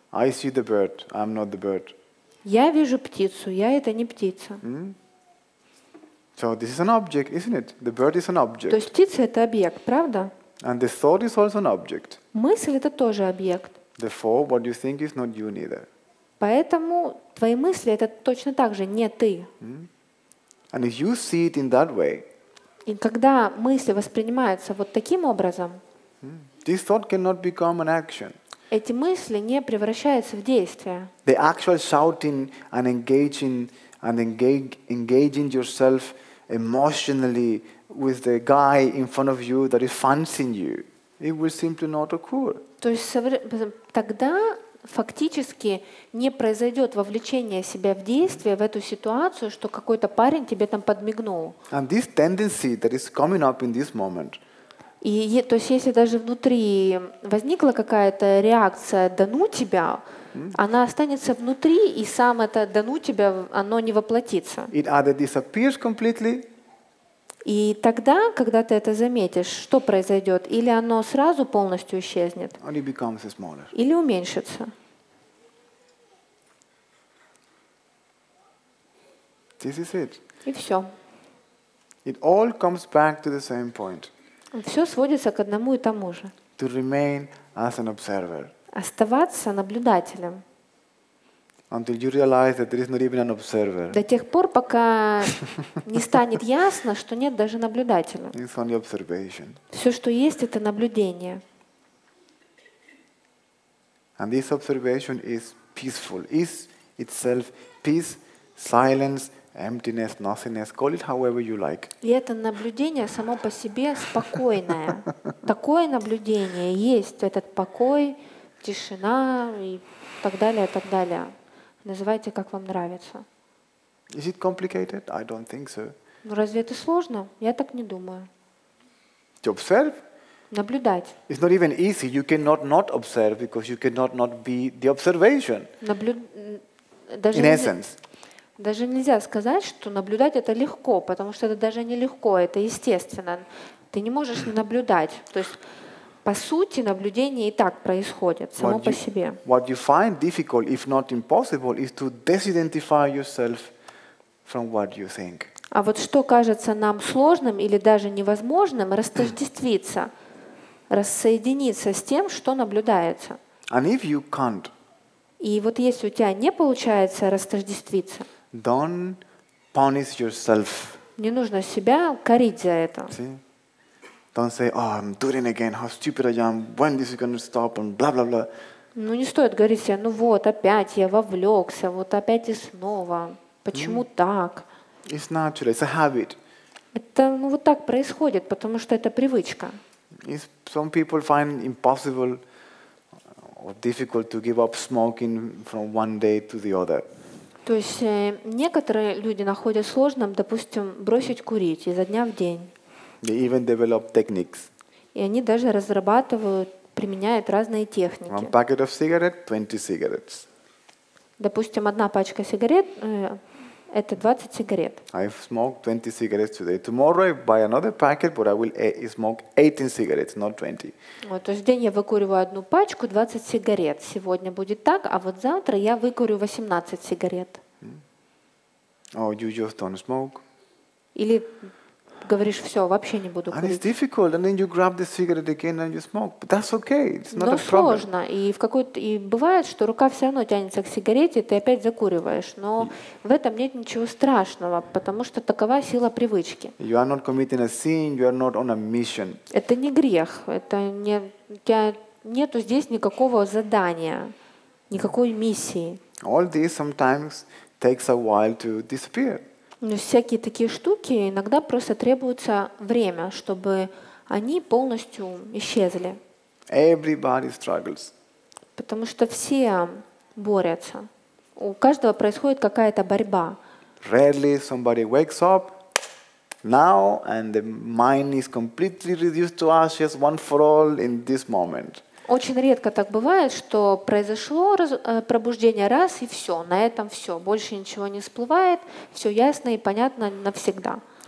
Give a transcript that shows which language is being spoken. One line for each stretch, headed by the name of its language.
English: I see the bird. I'm not the bird.
Russian: Я вижу птицу, я это не птица.
English: So this is an object, isn't it? The bird is an object.
Russian: То есть птица это объект, правда?
English: And the thought is also an object.
Russian: Мысль это тоже объект.
English: Therefore, what you think is not you neither.
Russian: Поэтому твои мысли это точно так же не ты.
English: And if you see it in that way.
Russian: И когда мысли воспринимаются вот таким образом.
English: This thought cannot become an action.
Russian: Эти мысли не превращаются в действие.
English: The actual shouting and engaging yourself emotionally with the guy in front of you that is fancying you, it will simply not occur.
Russian: То есть тогда фактически не произойдет вовлечение себя в действие в эту ситуацию, что какой-то парень тебе там подмигнул.
English: And this tendency that is coming up in this moment.
Russian: И то есть если даже внутри возникла какая-то реакция «да ну тебя», она останется внутри, и сам это «да ну тебя», оно не воплотится.
English: It either disappears completely.
Russian: И тогда, когда ты это заметишь, что произойдет? Или оно сразу полностью исчезнет?
English: Only becomes smaller.
Russian: Или уменьшится?
English: This is it.
Russian: И все.
English: It all comes back to the same point.
Russian: Все сводится к одному и тому же.
English: To remain as an observer.
Russian: Оставаться наблюдателем.
English: Until you realize that there is not even an observer.
Russian: До тех пор, пока не станет ясно, что нет даже наблюдателя.
English: It's only observation.
Russian: Все, что есть, это наблюдение.
English: And this observation is peaceful, is itself peace, silence. Emptiness, nothingness, call it however you like.
Russian: И это наблюдение само по себе спокойное. Такое наблюдение есть, этот покой, тишина и так далее, так далее. Называйте, как вам нравится.
English: Is it complicated? I don't think so.
Russian: Ну разве это сложно? Я так не думаю.
English: To observe?
Russian: Наблюдать.
English: It's not even easy. You cannot not observe because you cannot not be the observation. In essence.
Russian: Даже нельзя сказать, что наблюдать это легко, потому что это даже не легко, это естественно. Ты не можешь не наблюдать. То есть, по сути, наблюдение и так происходит, само по себе.
English: What you find difficult, if not impossible, is to disidentify yourself from what you think.
Russian: А вот что кажется нам сложным или даже невозможным, растождествиться, рассоединиться с тем, что наблюдается.
English: And if you can't.
Russian: И вот если у тебя не получается растождествиться,
English: don't punish yourself.
Russian: Не нужно себя корить за это.
English: See? Don't say, oh, I'm doing it again. How stupid I am. When this is going to stop? And blah blah blah.
Russian: Ну не стоит говорить себе, ну вот опять я вовлекся, вот опять и снова. Почему так?
English: It's natural. It's a habit.
Russian: Это ну вот так происходит, потому что это привычка.
English: It's some people find impossible or difficult to give up smoking from one day to the other.
Russian: То есть некоторые люди находят сложным, допустим, бросить курить изо дня в день.
English: They even develop techniques.
Russian: И они даже разрабатывают, применяют разные техники.
English: One packet of cigarette, 20 cigarettes.
Russian: Допустим, одна пачка сигарет это 20 сигарет.
English: I've smoked 20 cigarettes today. Tomorrow I buy another packet, but I will smoke 18 cigarettes, not 20.
Russian: Вот, то есть в день я выкуриваю одну пачку 20 сигарет. Сегодня будет так, а вот завтра я выкурю 18 сигарет.
English: Oh, you just don't smoke.
Russian: Или говоришь, все, вообще не буду курить.
English: And it's difficult, and then you grab the cigarette again and you smoke. But that's okay, it's not
Russian: Но
English: a problem.
Russian: Сложно. И в какой-то и бывает, что рука все равно тянется к сигарете, и ты опять закуриваешь. Но в этом нет ничего страшного, потому что такова сила привычки.
English: You are not committing a sin, you are not on a mission.
Russian: Это не грех, это не нету здесь никакого задания, никакой миссии.
English: All this sometimes takes a while to disappear.
Russian: Но всякие такие штуки иногда просто требуется время, чтобы они полностью исчезли.
English: Everybody struggles.
Russian: Потому что все борются. У каждого происходит какая-то борьба.
English: Rarely somebody wakes up now and the mind is completely reduced to ashes once for all in this moment.
Russian: Очень редко так бывает, что произошло пробуждение раз и все, на этом все, больше ничего не всплывает, все ясно и понятно навсегда.